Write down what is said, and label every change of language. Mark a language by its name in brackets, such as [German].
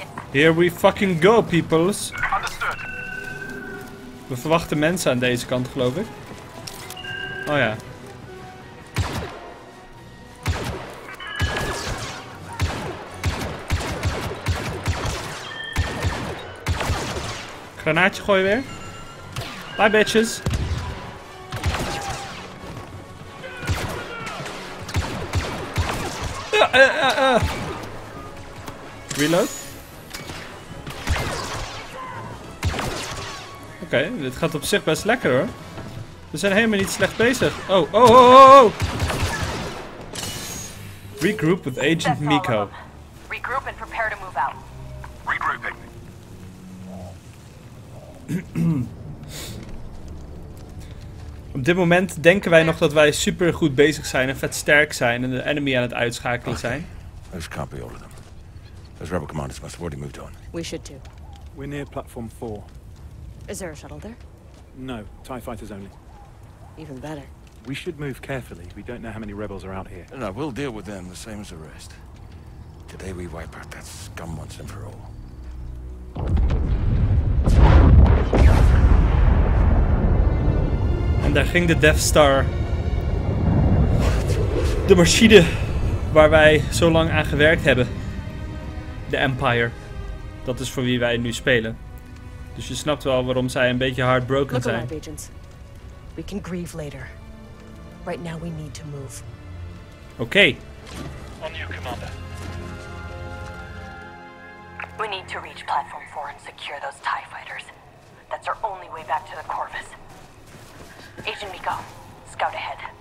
[English] Here we fucking go, peoples. Understood. [Dutch] We verwachten mensen aan deze kant, geloof ik. Oh ja. Granaatje gooien weer. [English] Bye, bitches. Reload. [Dutch] Oké, dit gaat op zich best lekker hoor. We zijn helemaal niet slecht bezig. Oh, oh, oh, oh, oh! [English] Regroup with Agent Miko. Regroup and prepare to move out. Regrouping. [Dutch] Op dit moment denken wij nog dat wij super goed bezig zijn en vet sterk zijn en de enemy aan het uitschakelen zijn. [English] Those can't be all of them. Those rebel commanders must have already moved on. We should too. We're near platform 4. Is there a shuttle there? No, TIE fighters only. Even better. We should move carefully. We don't know how many rebels are out here. No, we'll deal with them the same as the rest. Today we wipe out that scum once and for all. [Dutch] En daar ging de Death Star. De machine waar wij zo lang aan gewerkt hebben. De Empire. Dat is voor wie wij nu spelen. Dus je snapt wel waarom zij een beetje heartbroken zijn. [English] Look around, agents. We can grieve later. Right now we need to move. Okay. On you, Commander. We need to reach platform 4 and secure those TIE fighters. That's our only way back to the Corvus. Agent Miko, scout ahead.